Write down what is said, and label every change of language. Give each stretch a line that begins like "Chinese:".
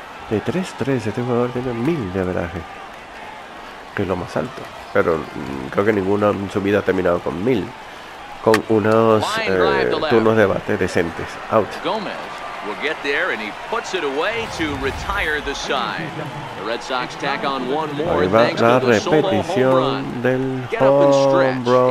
Spanish: De 3-3, este jugador tiene 1000 de average, que es lo más alto. Pero creo que ninguno en su vida ha terminado con 1000. Con unos turnos de bate decentes. Out.
English: Gomez will get there and he puts it away to retire the side. The Red Sox tack on one more.
Spanish: Ahí va la repetición del home run.